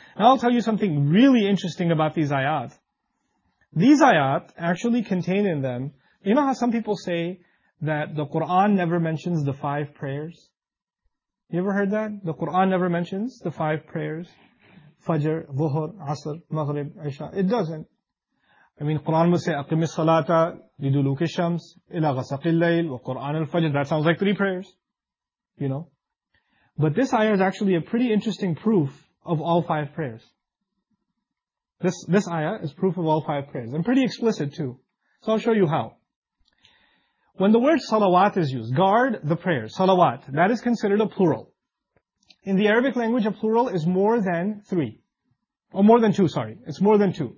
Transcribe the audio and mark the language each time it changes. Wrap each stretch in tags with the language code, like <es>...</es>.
<en>Now I'll tell you something really interesting about these ayat. These ayat actually contain in them, you know how some people say that the Quran never mentions the five prayers? You ever heard that? The Quran never mentions the five prayers? Fajr, Dhuhr, Asr, Maghrib, Isha. It doesn't. I mean, Quran would say,</en> <ar>أَقِمِ الصَّلَاةَ لِدُلُوكِ الشَّمْسِ إِلَىٰ غَسَقِ اللَّيْلِ وَقُرْآنَ الْفَجْرِ.</ar> <en>That sounds like three prayers. You know? But this ayah is actually a pretty interesting proof of all five prayers. This ayah is proof of all five prayers. And pretty explicit too. So I'll show you how. When the word salawat is used, guard the prayers, salawat, that is considered a plural. In the Arabic language, a plural is more than three. Or more than two, sorry. It's more than two.</en>